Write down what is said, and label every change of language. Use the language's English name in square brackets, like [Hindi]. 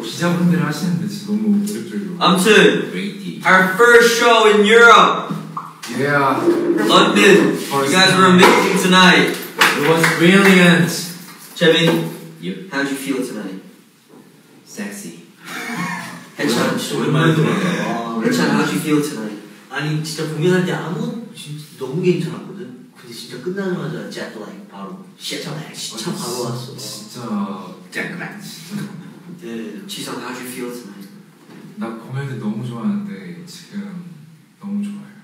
[Korean] 기자분들이 하시는데 진짜 너무 매력적이고. [English] 아무튼 our first show in Europe. Yeah. London. You guys were amazing tonight. It was brilliant. Jimin, yep. How did you feel tonight? Sexy. Haechan, Haechan, how did you feel tonight? [Korean] 아니 진짜 공연할 때 아무 진짜 너무 괜찮았거든. 근데 진짜 끝나자마자 jet lag 바로 시차 바로 왔어. 진짜 [English] jet lag. 네, 지성, how did you feel tonight? [Korean] 나 공연할 때 너무 좋았는데 지금 너무 좋아요.